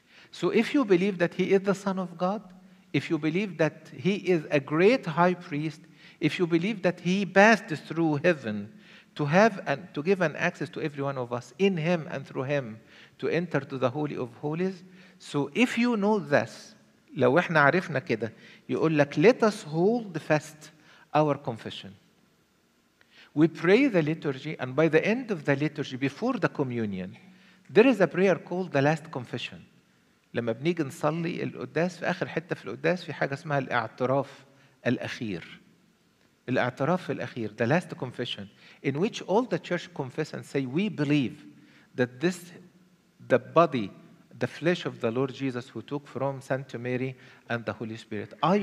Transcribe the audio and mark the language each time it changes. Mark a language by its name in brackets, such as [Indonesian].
[English] So if you believe that he is the Son of God, if you believe that he is a great high priest, if you believe that he passed through heaven to have and to give an access to every one of us in him and through him to enter to the Holy of Holies. So if you know this, [Arabic] لو احنا عرفنا كده, يقول لك, [English] let us hold fast our confession. We pray the liturgy, and by the end of the liturgy, before the communion, there is a prayer called the last confession. [Arabic] لما بنيجي نصلي القداس في آخر حتة في القداس في حاجة اسمها الاعتراف الأخير. الاعتراف الأخير, [English] the last confession, in which all the church confess and say, we believe that this, the body, the flesh of the Lord Jesus who took from Saint Mary and the Holy Spirit.